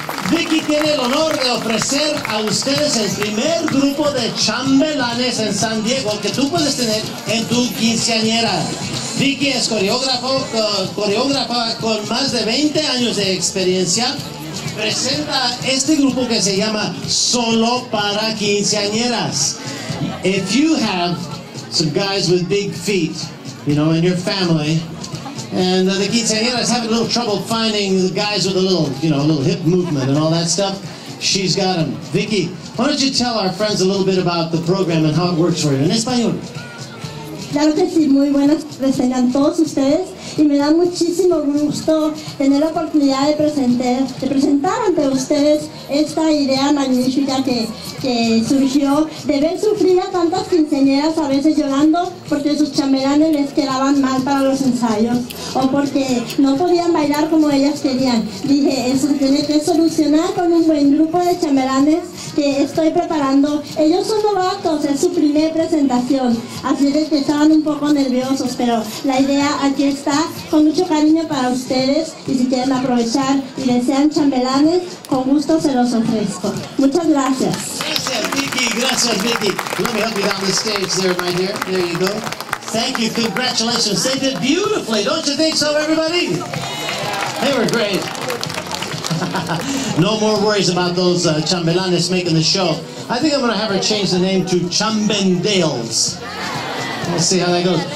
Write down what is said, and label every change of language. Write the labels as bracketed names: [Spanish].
[Spanish] Vicky tiene el honor de ofrecer a ustedes el primer grupo de chambelanes en San Diego que tú puedes tener en tu quinceañera. Vicky es coreógrafa con más de 20 años de experiencia. Presenta este grupo que se llama Solo para Quinceañeras. [English] If you have some guys with big feet, you know, in your family, And the quinceañera is having a little trouble finding the guys with a little, you know, a little hip movement and all that stuff. She's got them. Vicky, why don't you tell our friends a little bit about the program and how it works for you in español? [Spanish] Claro que sí, muy buenas, tengan todos ustedes. Y me da muchísimo gusto tener la oportunidad de presentar ante ustedes esta idea magnífica que surgió de ver sufrir a tantas quinceañeras a veces llorando porque sus chambelanes les quedaban mal para los ensayos o porque no podían bailar como ellas querían. Dije, eso se tiene que solucionar con un buen grupo de chambelanes que estoy preparando. Ellos son novatos, es su primera presentación, así es que estaban un poco nerviosos, pero la idea aquí está con mucho cariño para ustedes, y si quieren aprovechar y desean chambelanes, con gusto se los ofrezco. Muchas gracias. Gracias, Vicky. [English] Let me help you down the stage there, right here. There you go. Thank you, congratulations. They did beautifully, don't you think so, everybody? They were great. No more worries about those chambelanes making the show. I think I'm going to have her change the name to Chambendales. We'll see how that goes.